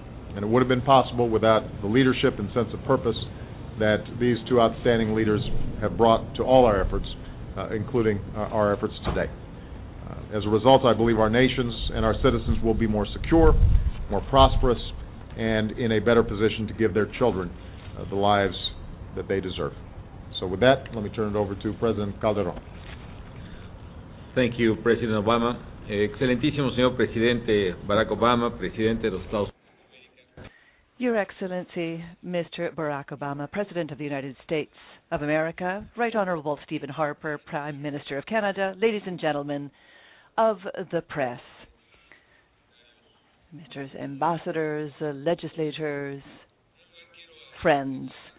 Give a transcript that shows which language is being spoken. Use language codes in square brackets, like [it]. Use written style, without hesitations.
[en] And it would have been possible without the leadership and sense of purpose that these two outstanding leaders have brought to all our efforts, including our efforts today. As a result, I believe our nations and our citizens will be more secure, more prosperous, and in a better position to give their children the lives that they deserve. So with that, let me turn it over to President Calderon. Thank you, President Obama. [es] Excelentísimo, señor Presidente Barack Obama, Presidente de los Estados Unidos. [en] Your Excellency, Mr. Barack Obama, President of the United States of America, Right Honorable Stephen Harper, Prime Minister of Canada, ladies and gentlemen of the press, Mr. Ambassadors, legislators, friends.